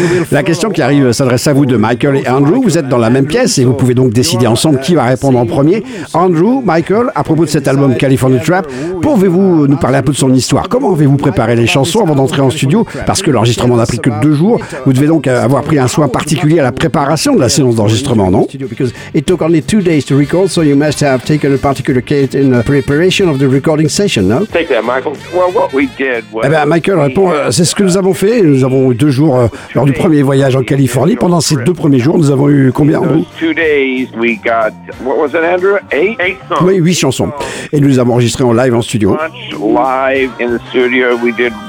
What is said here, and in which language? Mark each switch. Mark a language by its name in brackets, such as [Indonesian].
[French] La question qui arrive s'adresse à vous de Michael et Andrew. Vous êtes dans la même pièce et vous pouvez donc décider ensemble qui va répondre en premier. Andrew, Michael, à propos de cet album California Trap, pouvez-vous nous parler un peu de son histoire? Comment avez-vous préparé les chansons avant d'entrer en studio? Parce que l'enregistrement n'a pris que 2 jours. Vous devez donc avoir pris un soin particulier à la préparation de la séance d'enregistrement, non? [English] It took only 2 days to record, so you must have taken a particular care in the preparation of the recording session, no? Take that, Michael. Well, what we did was... [French] Eh bien, Michael répond, c'est ce que nous avons fait. Nous avons eu 2 jours lors du premier voyage en Californie. Pendant ces 2 premiers jours, nous avons eu combien? [English] 2 days, we got... What was it, Andrew? 8 songs. [French] Oui, 8 chansons. Et nous les avons enregistrées en live en studio. [English] Live in the studio, we did...